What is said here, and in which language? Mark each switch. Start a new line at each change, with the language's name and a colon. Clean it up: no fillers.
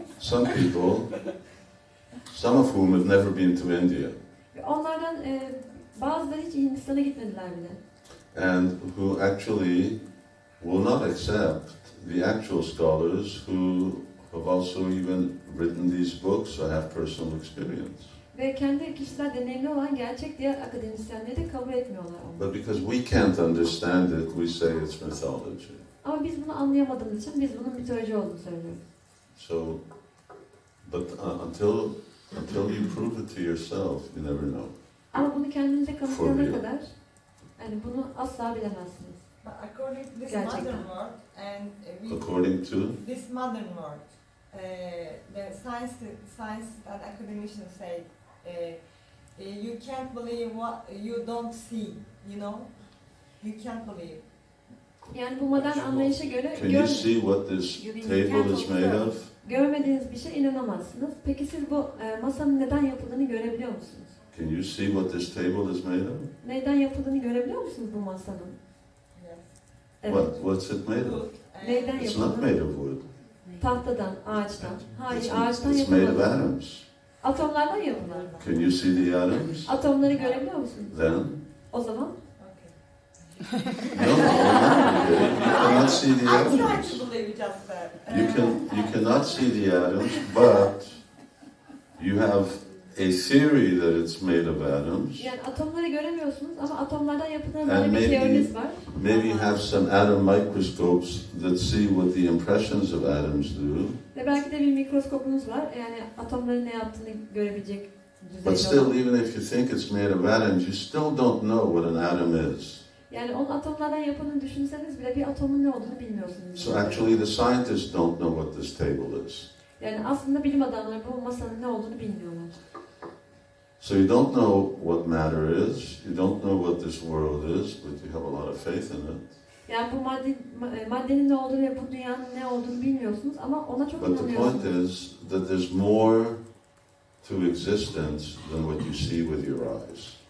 English: Some people, some of whom have never been to India.
Turkish: Onlardan bazıları hiç Hindistan'a gitmediler bile.
English: And who actually will not accept the actual scholars who have also even written these books or have personal experience.
Turkish: Ve kendi kişisel deneyimli olan gerçek diğer akademisyenleri de kabul etmiyorlar.
English: But because we can't understand it, we say it's mythology.
Turkish: Ama biz bunu anlayamadığımız için biz bunun mitoloji olduğunu söylüyoruz.
English: So, but until you prove it to yourself, you never know.
Turkish: Ama bunu kendinize kanıtlayana kadar, yani bunu asla bilemezsiniz.
English: But according to this
Turkish: gerçekten.
English: Modern world, and according to this modern world, the science and academicians say you can't believe what you don't see, you know? You can't believe.
Turkish: Yani bu modern anlayışa göre
English: can you see what this table is made of?
Turkish: Görmediğiniz bir şeye inanamazsınız. Peki siz bu masanın neden yapıldığını görebiliyor musunuz?
English: Can you see what this table is made of?
Turkish: Neden yapıldığını görebiliyor musunuz bu masanın?
English: Yes.
Turkish: Evet.
English: What's it made of?
Turkish: Neden
English: it's not made of wood.
Turkish: Tahtadan, ağaçtan. Hayır,
English: it's
Turkish: ağaçtan
English: it's made of atoms.
Turkish: Atomlardan yapılır.
English: Can you see the atoms?
Turkish: Atomları görebiliyor musunuz?
English: Then?
Turkish: O zaman?
English: No, you cannot see the atoms. I tried to believe just that. You cannot see the atoms, but you have a theory that it's made of atoms.
Turkish: Yani atomları göremiyorsunuz ama atomlardan yapılan bir teoriniz var.
English: Maybe you have some atom microscopes that see what the impressions of atoms do.
Turkish: Ve belki de bir mikroskopunuz var. Yani atomların ne yaptığını görebilecek düzeyde.
English: But still, even if you think it's made of atoms, you still don't know what an atom is.
Turkish: Yani onun atomlardan yapıldığını düşünseniz bile bir atomun ne olduğunu bilmiyorsunuz.
English: So actually the scientists don't know what this table is.
Turkish: Yani aslında bilim adamları bu masanın ne olduğunu bilmiyorlar.
English: So you don't know what matter is, you don't know what this world is, but you have a lot of faith in it.
Turkish: Yani bu maddenin ne olduğunu ve bu dünyanın ne olduğunu bilmiyorsunuz ama ona çok
English: but
Turkish: inanıyorsunuz.
English: But the point is that there's more to existence than what you see with your eyes.